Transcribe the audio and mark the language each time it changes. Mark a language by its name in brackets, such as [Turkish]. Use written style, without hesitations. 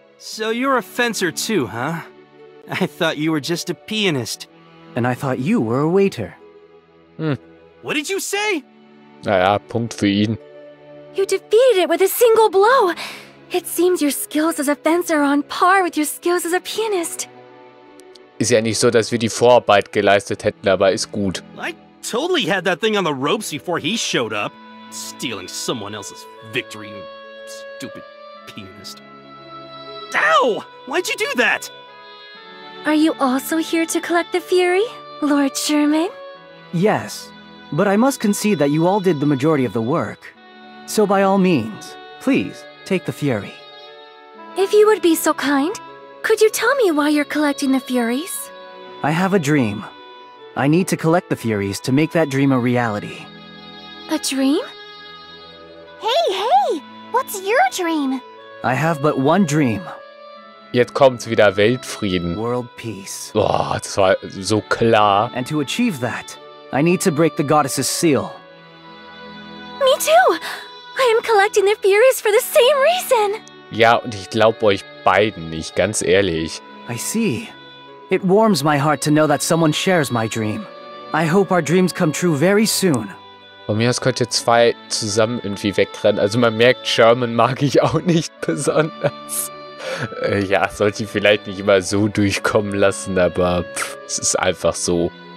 [English] So you're a fencer too, huh? I thought you were just a pianist. And I thought you were a waiter. Hm. What did you say? [German] Naja, Punkt für ihn. [English] You defeated it with a single blow. It seems your skills as a fencer are on par with your skills as a pianist. [German] Ist ja nicht so, dass wir die Vorarbeit geleistet hätten, aber ist gut. [English] I totally had that thing on the ropes before he showed up. Stealing someone else's victory, you stupid pianist. Ow! Why'd you do that? Are you also here to collect the fury, Lord Sherman? Yes, but I must concede that you all did the majority of the work. So by all means, please, take the fury. If you would be so kind, could you tell me why you're collecting the furies? I have a dream. I need to collect the furies to make that dream a reality. A dream? Hey, hey! What's your dream? I have but one dream. [German] Jetzt kommt wieder Weltfrieden. [English] World Peace. [German] Boah, das war so klar. [English] And to achieve that, I need to break the goddess's seal. Me too. I am collecting the furies for the same reason. [German] Ja, und ich glaub euch beiden nicht, ganz ehrlich. [English] I see. It warms my heart to know that someone shares my dream. I hope our dreams come true very soon. [German] Von mir aus könnt ihr zwei zusammen irgendwie wegrennen. Also man merkt, Sherman mag ich auch nicht besonders. Ja, sollte ich vielleicht nicht immer so durchkommen lassen, aber pff, es ist einfach so.